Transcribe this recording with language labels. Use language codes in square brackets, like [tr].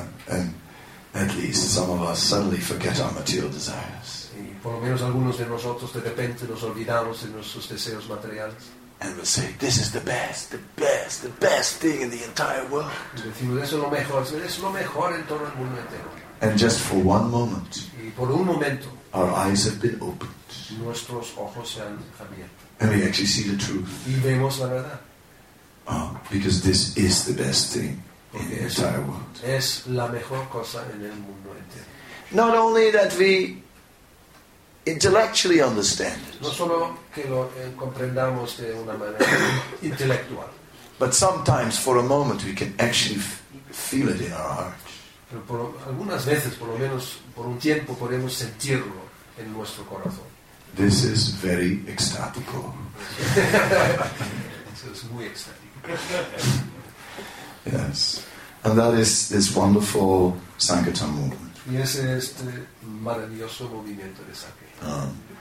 [en] And at least some of us suddenly forget our material desires. [es] Y por lo menos algunos de nosotros de repente nos olvidamos de nuestros deseos materiales. [en] And we say, "This is the best thing in the entire world." [es] Decimos, eso es lo mejor en todo el mundo entero. [en] And just for one moment. [es] Y por un momento. [en] Our eyes have been opened. [es] Nuestros ojos se han abierto. [en] And we actually see the truth. [es] Y vemos la verdad. [en] Because this is the best thing in the entire world. [es] Es la mejor cosa en el mundo entero. [en] Not only that we intellectually understand it. [es] No solo que lo comprendamos de una manera intelectual. [en] But sometimes for a moment we can actually feel it in our heart. [es] Pero por algunas veces, por lo menos por un tiempo, podemos sentirlo en nuestro corazón. [en] This is very ecstatic. [es] Es muy ecstático. [en] Yes, and that is this wonderful Sankirtan movement. [es] Y ese es este maravilloso movimiento de Sankirtan.